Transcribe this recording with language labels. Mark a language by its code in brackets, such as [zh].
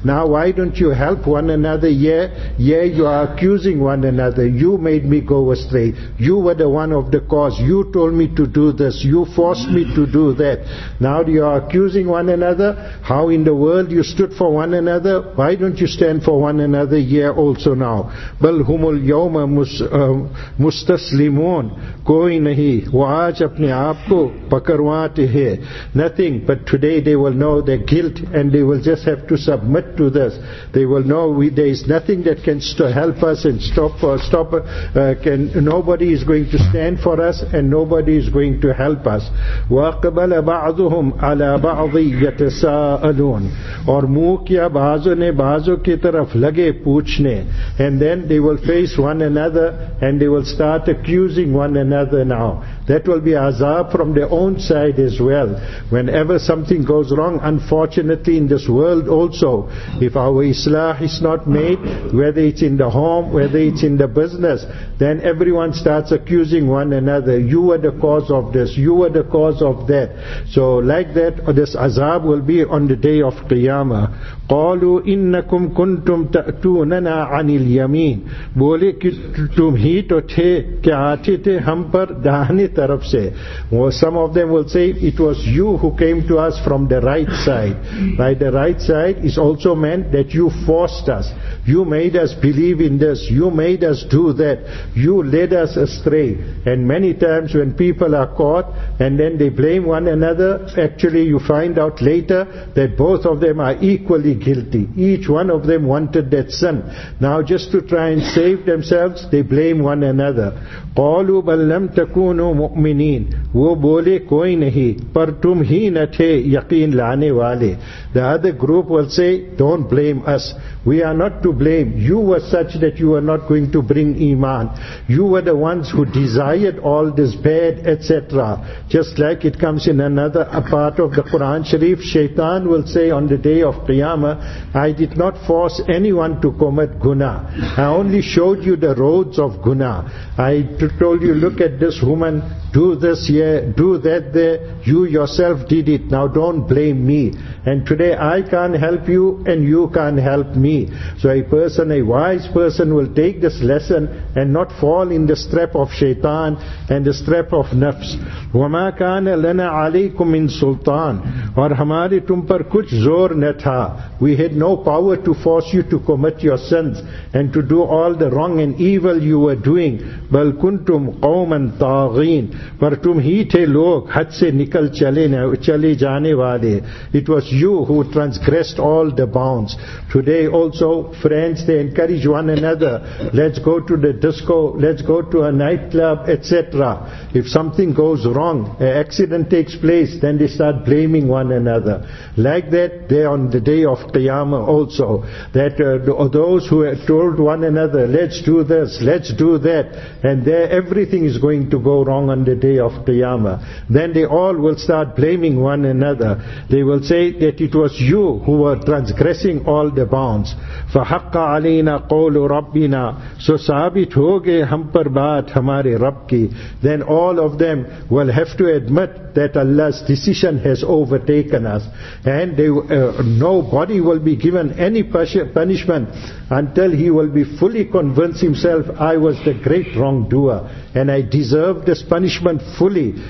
[en] Now why don't you help one another? Yeah, you are accusing one another. You made me go astray. You were the one of the cause. You told me to do this. You forced me to do that. Now you are accusing one another. How in the world you stood for one another? Why don't you stand for one another? Yeah, also now. [ar] بَلْ هُمُ الْيَوْمَ مُسْتَسْلِمُونَ [ur] کوئی نہیں وہ آج اپنے آپ کو پکرواتے ہیں. [en] Nothing, but today they will know their guilt and they will just have to submit to this. They will know there is nothing that can help us and nobody is going to stand for us and nobody is going to help us. [ar] وَقَبَلَ بَعْضُهُمْ عَلَىٰ بَعْضِ يَتَسَاءَلُونَ [ur] اور مو کیا بعضوں نے بعضوں کی طرف لگے پوچھنے. [en] And then they will face one another and they will start accusing one another. Now that will be azab from their own side as well. Whenever something goes wrong, unfortunately in this world also, if our islah is not made, whether it's in the home, whether it's in the business, then everyone starts accusing one another. You were the cause of this, you were the cause of that. So like that, this azab will be on the day of Qiyamah. [ar] قَالُوا إِنَّكُمْ كُنْتُمْ تَأْتُونَنَا عَنِ الْيَمِينَ [ur] بولے کہ تم ہی تو تھے کہ آتے تھے ہم پر داہنے طرف سے. [en] Well, some of them will say it was you who came to us from the right side. By the right side is also meant that you forced us. You made us believe in this. You made us do that. You led us astray. And many times when people are caught and then they blame one another, actually you find out later that both of them are equally guilty. Each one of them wanted that son. Now just to try and save themselves, they blame one another. [ar] قَالُوا بَلْ لَمْ تَكُونُوا مُؤْمِنِينَ [ur] وہ بولے کوئی نہیں پر تم ہی نہ تھے یقین لانے والے. [en] The other group will say, don't blame us. We are not to blame. You were such that you were not going to bring iman. You were the ones who desired all this bad, etc. Just like it comes in another part of the Quran Sharif, Shaitan will say on the day of Qiyamah, I did not force anyone to commit guna. I only showed you the roads of guna. I told you, look at this woman, do this here, do that there, you yourself did it, now don't blame me. And today I can't help you and you can't help me. So a wise person will take this lesson and not fall in the trap of shaitan and the trap of nafs. [ar] وَمَا كَانَ لَنَا عَلَيْكُمْ مِنْ سُلْطَانَ [ur] اور ہمارے تم پر کچھ زور نہ تھا. [en] We had no power to force you to commit your sins and to do all the wrong and evil you were doing. [ar] بَلْ كُنْتُمْ قَوْمًا طَاغِينَ [ur] پر تم ہی تھے لوگ حد سے نکل چلے جانے والے. [en] It was you who transgressed all the bounds. Today also friends, they encourage one another, let's go to the disco, let's go to a nightclub, etc. If something goes wrong, an accident takes place, then they start blaming one another. Like that they on the day of Qiyamah also, that those who have told one another, let's do this, let's do that, and there everything is going to go wrong on the day of Qiyamah. Then they all will start blaming one another. They will say that it was you who were transgressing all the bounds. [ar] فَحَقَّ عَلَيْنَا قَوْلُ رَبِّنَا. [ur] So ثابت ہو گئے ہم پر بات ہمارے رب کی. [en] Then all of them will have to admit that Allah's decision has overtaken us. And nobody will be given any punishment until he will be fully convinced himself, I was the great wrongdoer and I deserve this punishment fully.